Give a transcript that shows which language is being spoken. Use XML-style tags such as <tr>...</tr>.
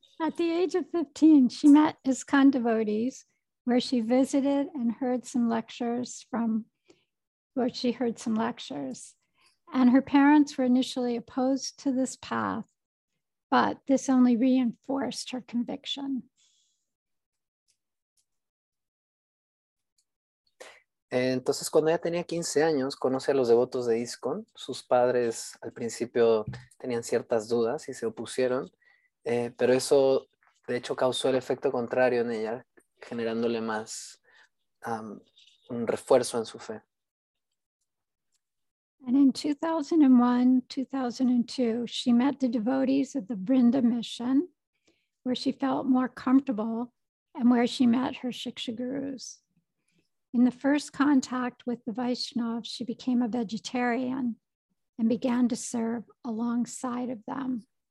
<en>At the age of 15, she met ISKCON devotees, where she visited and heard some lectures and her parents were initially opposed to this path, but this only reinforced her conviction.</en> <es>Entonces, cuando ella tenía 15 años, conoce a los devotos de ISKCON. Sus padres al principio tenían ciertas dudas y se opusieron, pero eso de hecho causó el efecto contrario en ella, generándole más un refuerzo en su fe.</es> <en>And in 2001-2002, she met the devotees of the Brinda Mission, where she felt more comfortable and where she met her Shiksha gurus. In the first contact with the Vaishnav, she became a vegetarian and began to serve alongside of them.</en>